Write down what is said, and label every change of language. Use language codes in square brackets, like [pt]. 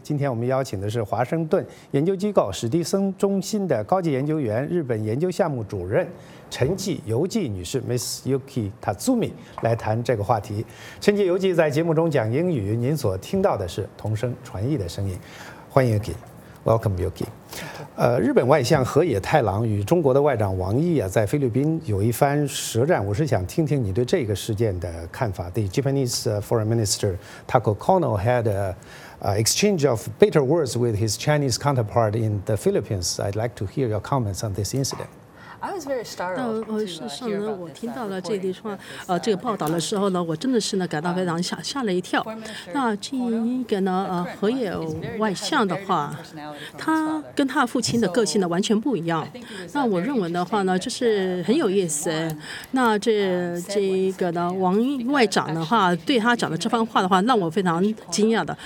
[zh] 今天我们邀请的是华盛顿研究机构史蒂森中心的高级研究员、日本研究项目主任陈纪由纪女士 Miss Yuki Tatsumi 来谈这个话题。陈纪由纪在节目中讲英语，您所听到的是同声传译的声音。欢迎 Yuki， [en] Welcome Yuki。 [zh] 日本外相河野太郎与中国的外长王毅啊，在菲律宾有一番舌战，我是想听听你对这个事件的看法。 [en] The Japanese Foreign Minister Taku Kono had aexchange of bitter words with his Chinese counterpart in the Philippines. I'd like to hear your comments on this incident. I was very startled. [zh] 我听到了这句话，这个报道的时候呢，我真的是呢感到非常吓了一跳。那这一个呢，河野外相的话，他跟他父亲的个性呢完全不一样。那我认为的话呢，就是很有意思。那这个呢，王外长的话对他讲的这番话的话，让我非常惊讶的。